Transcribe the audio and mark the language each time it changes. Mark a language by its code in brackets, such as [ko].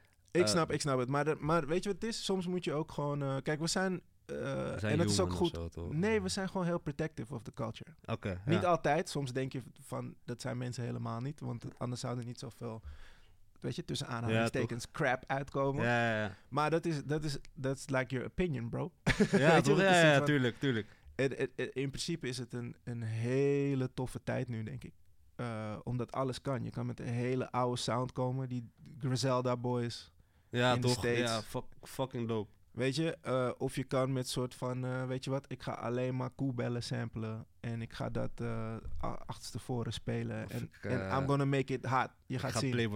[nl] Ik snap het. Maar weet je wat het is? Soms moet je ook gewoon... Kijk, we zijn... En dat is ook goed. Zo, nee, we zijn gewoon heel [en] protective of the culture. [nl] Okay, niet altijd. Soms denk je van dat zijn mensen helemaal niet. Want anders zouden niet zoveel... Weet je, tussen aanhalingstekens crap uitkomen. Ja. [en] Maar that's like your opinion, bro. [nl] Ja, toch? Ja, tuurlijk. In principe is het een hele toffe tijd nu, denk ik. Omdat alles kan. Je kan met een hele oude sound komen. Die Griselda boys. Ja, in toch? The States. Ja, [en] fucking dope. [nl] Weet je, of je kan met soort van, weet je wat, ik ga alleen maar koebellen samplen en ik ga dat achterstevoren spelen en [en] I'm gonna make it hot, [nl] je gaat zien.